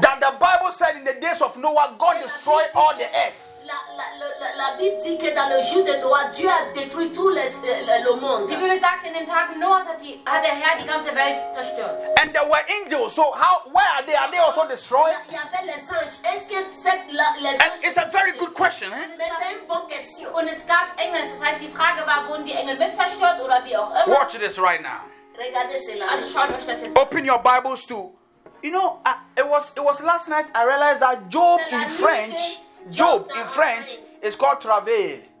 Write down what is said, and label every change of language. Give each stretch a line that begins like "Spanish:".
English: That the Bible said in the days of Noah, God destroyed all the earth.
French: La Bible dit que dans le jour de Noah, Dieu a détruit tout le monde.
German: Die Bibel sagt, in den Tagen Noahs hat der Herr die ganze Welt zerstört.
English: And there were angels. So how, where are they? Are they also destroyed?
French: Il y avait les anges. Est-ce que c'est les anges?
English: And it's a very good question, eh?
German: Und es gab Engel. Das heißt, die Frage war, wurden die Engel mit zerstört oder wie auch immer?
English: Watch this right now.
German: Also schaut euch das jetzt.
English: Open your Bibles too. You know, it was last night I realized that Job in French is called travail.